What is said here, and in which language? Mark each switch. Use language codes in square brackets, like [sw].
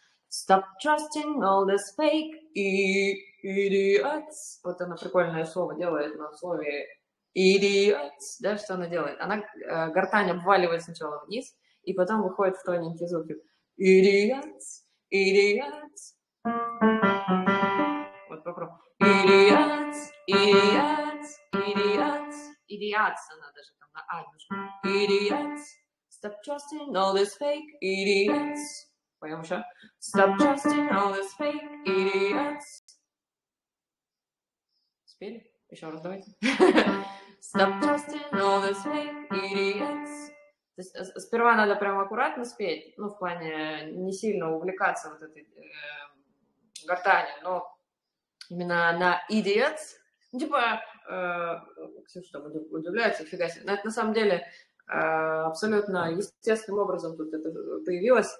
[en] Stop trusting all the fake idiots. [ru] Вот она прикольное слово делает на слове. Идиот, да, что она делает? Она гортань обваливает сначала вниз, и потом выходит в тоненький звук. Идиот, идиот. Вот попробуй. Идиот, идиот, идиот. Идиот, она даже там на А нужна. Идиот, [en] stop trusting all this fake idiots. [ru] Поем еще. [en] Stop trusting all this fake idiots. [ru] Спели? Еще раз давайте. [en] Stop trusting all the fake idiots. [ru] То есть, сперва надо прям аккуратно спеть, ну, в плане не сильно увлекаться вот этой гортанью, но именно на idiots. Ну, типа, все, что удивляется, фига себе. Но это на самом деле абсолютно естественным образом тут это появилось.